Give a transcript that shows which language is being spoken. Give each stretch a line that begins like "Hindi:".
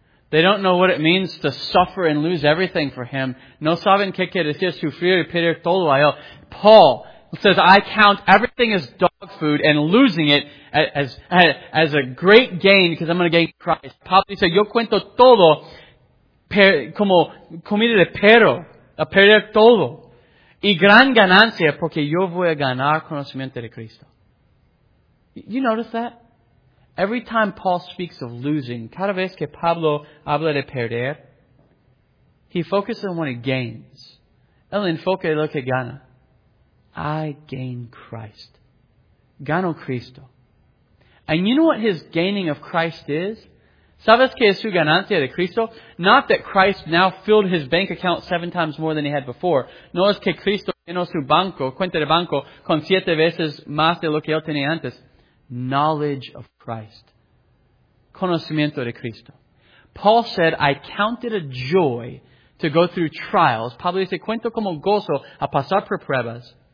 English: They don't know what it means to suffer and lose everything for Him.
Spanish: No saben qué quiere decir sufrir y perder todo a él.
English: Paul says, I count everything as dog food and losing it as a great gain because I'm going to gain Christ.
Spanish: Pablo dice, yo cuento todo como comida de perro, a perder todo. Y gran ganancia porque yo voy a ganar conocimiento de Cristo.
English: You notice that? Every time Paul speaks of losing,
Spanish: cada vez que Pablo habla de perder,
English: he focuses on what he gains.
Spanish: El enfoque de lo que gana.
English: I gain Christ.
Spanish: Gano Cristo.
English: And you know what his gaining of Christ is?
Spanish: ¿Sabes qué es su ganancia de Cristo?
English: Not that Christ now filled his bank account 7 times more than he had before.
Spanish: No es que Cristo llenó su banco, cuenta de banco, con 7 veces más de lo que él tenía antes.
English: Knowledge of Christ.
Spanish: Conocimiento de Cristo.
English: Paul said, I count it a joy to go through trials.
Spanish: Pablo dice, cuento como gozo a pasar por pruebas.